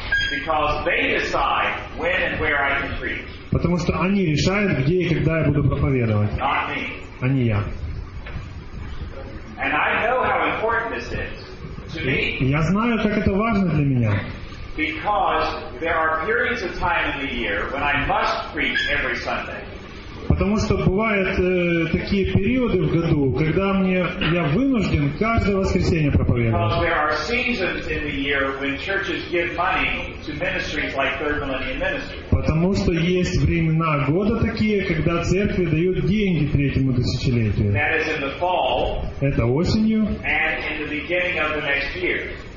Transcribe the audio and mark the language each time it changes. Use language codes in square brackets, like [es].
[en] Because they decide when and where I can preach. [ru] Потому что они решают, где и когда я буду проповедовать. [en] Not me. [ru] А не я. [en] And I know how important this is. [ru] Я знаю, как это важно для меня. [en] Because there are periods of time in the year when I must preach every Sunday. [ru] Потому что бывают такие периоды в году, когда я вынужден каждое воскресенье проповедовать. [en] Because there are seasons in the year when churches give money to ministries like Third Millennium Ministries. [ru] Потому что есть времена года такие, когда церкви дают деньги третьему тысячелетию. [en] That is in the fall. [ru] Это осенью. [en] And in the beginning of the next year.